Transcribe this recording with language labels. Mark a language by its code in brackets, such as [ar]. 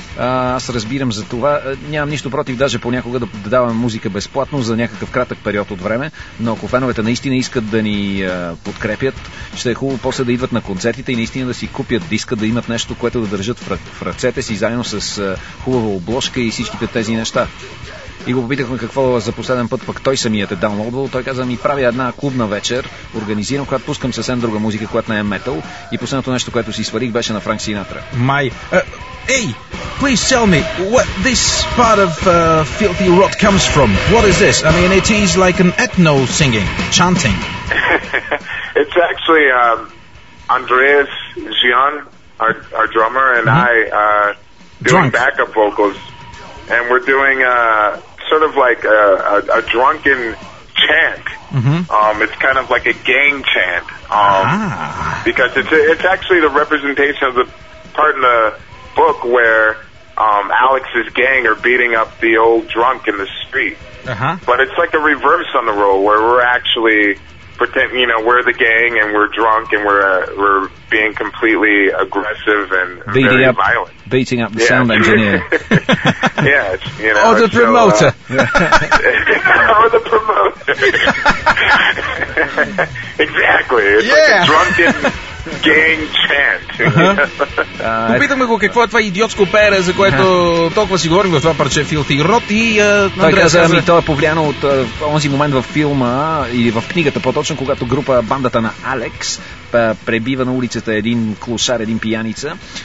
[bg] Аз разбирам за това. Нямам нищо против даже понякога да давам музика безплатно за някакъв кратък период от време, но ако феновете наистина искат да ни подкрепят, ще е хубаво после да идват на концертите и наистина да си купят диска, да имат нещо, което да държат в ръцете си, заедно с хубава обложка и всичките тези неща. И го попитахме какво за последен път пък той самият е даунлоудвал. Той каза, ми прави една клубна вечер, организирам, когато пускам съвсем друга музика, която не е метал. И последното нещо, което си свалих, беше на Франк Синатра. [en] Hey, please tell me what this part of filthy rot comes from. What is this? I mean, it is like an ethno singing, chanting. It's actually Andreas Gian, our drummer, and mm-hmm. I doing drunk backup vocals. And we're doing sort of like a drunken chant. Mm-hmm. It's kind of like a gang chant. Because it's actually the representation of the part in the book where Alex's gang are beating up the old drunk in the street. Uh-huh. But it's like a reverse on the role where we're actually pretend, you know, we're the gang and we're drunk and we're being completely aggressive and beating very up, violent. Beating up the sound engineer. Yeah, you know. Or the promoter. Or the promoter. Exactly. It's like a drunken gang chant. [bg] Попитаме го какво е това идиотско пере, за което толкова си говорим в това парче Filthy Rot и Андреас. Той е повлияно от онзи момент в филма и в книгата, по-точно, когато група, бандата на Алекс, пребива на улицата един клошар, един пияница.